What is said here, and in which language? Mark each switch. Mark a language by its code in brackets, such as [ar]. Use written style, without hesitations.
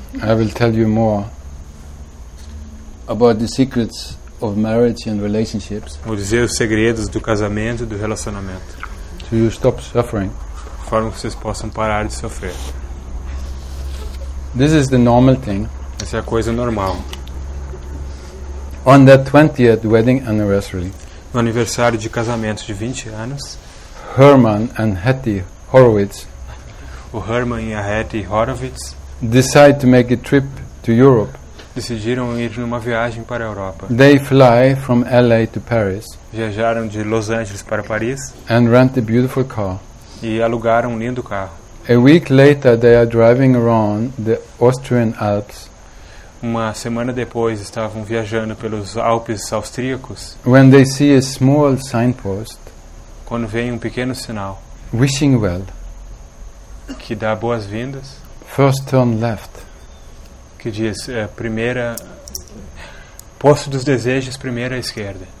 [en] I will tell you more about the secrets of marriage and relationships. [pt] Vou dizer os segredos do casamento e do relacionamento. [en] So you stop suffering. [pt] Para que vocês possam parar de sofrer. [en] This is the normal thing. [pt] Essa é a coisa normal. [en] On that 20th wedding anniversary. [pt] No aniversário de casamento de 20 anos. [en] Herman and Hetty Horowitz. [pt] O Herman e a Hetty Horowitz [en] decide to make a trip to Europe. [pt] Decidiram ir numa viagem para a Europa. [en] They fly from LA to Paris. [pt] Viajaram de Los Angeles para Paris. [en] And rent a beautiful car. [pt] E alugaram um lindo carro. [en] A week later they are driving around the Austrian Alps. [pt] Uma semana depois estavam viajando pelos Alpes austríacos. [en] When they see a small signpost. [pt] Quando vem um pequeno sinal. [en] Wishing well. [pt] Que dá boas-vindas. [en] First turn left. [pt] Que diz, primeira... Posto dos desejos, primeira à esquerda.